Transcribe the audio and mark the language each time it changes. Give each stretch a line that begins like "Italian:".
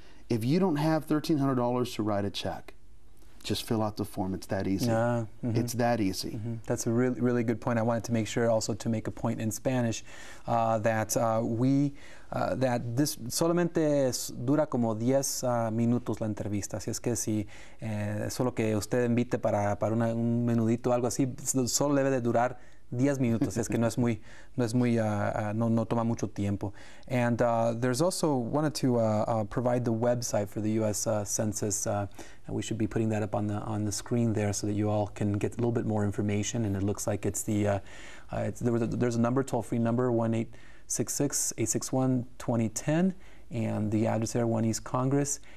English: If you don't have $1,300 to write a check, just fill out the form. It's that easy. Mm-hmm. It's that easy. Mm-hmm. That's a really, really good point. I wanted to make sure also to make a point in Spanish that this
Spanish: solamente dura como 10 minutos la entrevista. Así es que si solo que usted invite para un menudito algo así, solo debe de durar 10 minutos. Es que no toma mucho tiempo.
English: And there's also wanted to provide the website for the U.S. Census. And we should be putting that up on the screen there so that you all can get a little bit more information. And it looks like it's the there's a number, toll-free number, 1-866-861-2010, and the address there, 1 East Congress.